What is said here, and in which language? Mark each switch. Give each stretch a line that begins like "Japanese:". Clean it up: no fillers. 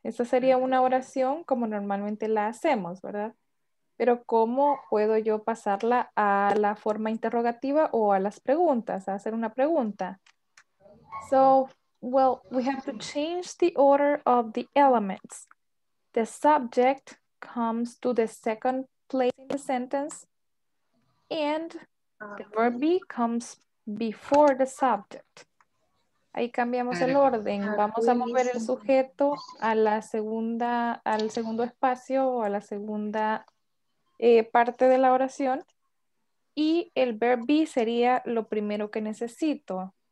Spanish: Esa sería una oración como normalmente la hacemos, ¿verdad? Pero ¿cómo puedo yo pasarla a la forma interrogativa o a las preguntas, a hacer una pregunta?
English: So, well, we have to change the order of the elements. The subject comes to the second place in the sentence and the verb be comes before the subject.
Spanish: Ahí cambiamos el orden. Vamos a mover el sujeto a la segunda, al segundo espacio o a la segunda parte de la oración. Y el
English: verb be
Spanish: sería lo primero que necesito.